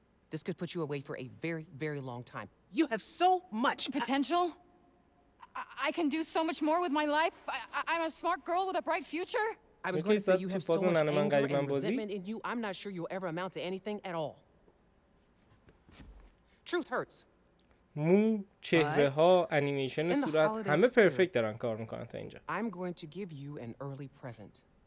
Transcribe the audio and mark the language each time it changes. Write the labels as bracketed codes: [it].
[en] This could put you away for a very, very long time. You have so much potential. I can do so much more with my life. I'm a smart girl with a bright future. I was going to say you have so much anger and resentment in you, I'm not sure you'll ever amount to anything at all. Truth hurts. [fa] مو، چهره ها، انیمیشن صورت، همه پرفکت دارن کار میکنن تا اینجا. [en] I'm going to give you an early present.